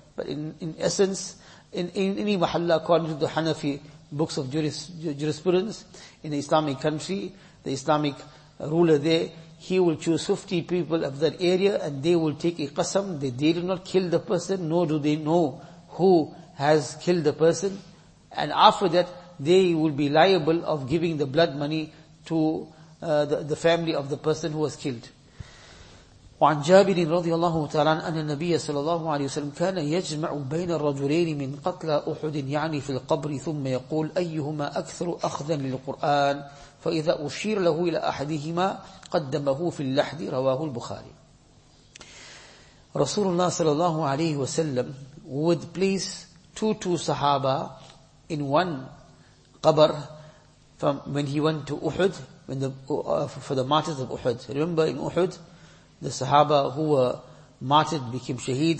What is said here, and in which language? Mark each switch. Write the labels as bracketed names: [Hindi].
[English] But in essence, in any mahalla, according to the Hanafi books of jurisprudence, in an Islamic country, the Islamic ruler there, he will choose 50 people of that area, and they will take a qasam that they do not kill the person, nor do they know who has killed the person. And after that, they will be liable of giving the blood money to the family of the person who was killed. [Arabic] وعن جابر رضي الله تعالى أن النبي صلى الله عليه وسلم كان يجمع بين الرجلين من قتلى أحد يعني في القبر ثم يقول أيهما أكثر أخذا للقرآن فإذا أشير له إلى أحدهما قدمه في اللحد رواه البخاري. رسول الله صلى الله عليه وسلم [English] would place two Sahaba in one قبر from when he went to Uhud, when for the martyrs of Uhud. Remember in Uhud, the Sahaba who were martyred became shaheed.